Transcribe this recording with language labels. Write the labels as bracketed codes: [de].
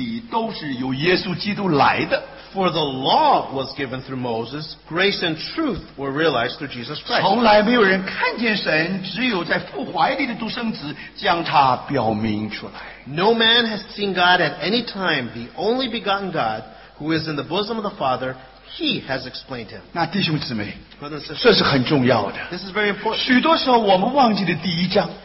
[zh] 律法本是借着摩西传的恩典和真理都是由耶稣基督来的。 [en] For the law was given through Moses, grace and truth were realized through Jesus Christ. [zh] 从来没有人看见神，只有在父怀里的独生子将他表明出来。 [en] No man has seen God at any time, the only begotten God, who is in the bosom of the Father, he has explained him. [zh] 那弟兄姊妹, [en] Brothers and sisters, [zh] 这是很重要的。 [en] This is very important. [zh] 许多时候我们忘记了第一章。